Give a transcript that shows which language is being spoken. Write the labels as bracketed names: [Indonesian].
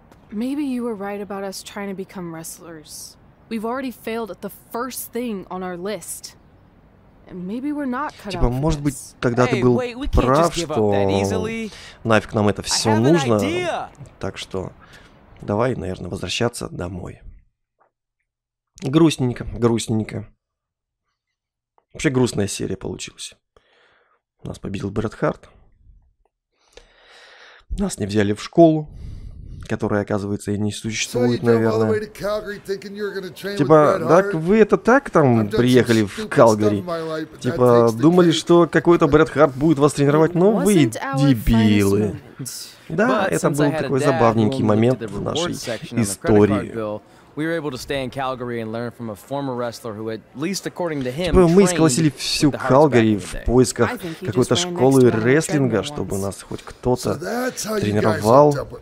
[English] Maybe you were right about us trying to become wrestlers. We've already failed at the first thing on our list. And maybe we're not cut out. [Russian] Типа, может быть, тогда ты был прав, что нафиг нам это все нужно. Так что давай, наверное, возвращаться домой. Грустненько, грустненько. Вообще грустная серия получилась. Нас победил Бретт Харт. Нас не взяли в школу, которая, оказывается, и не существует, наверное. Типа, так вы это так там приехали в Калгари? Типа, думали, что какой-то Бретт Харт будет вас тренировать? Но вы дебилы. Да, это был такой забавненький момент в нашей истории. [English] We were able to stay in Calgary and learn from a former wrestler who, at least according to him, [Russian] типа, мы сколосили всю Калгари в поисках какой-то школы рестлинга, чтобы нас хоть кто-то тренировал.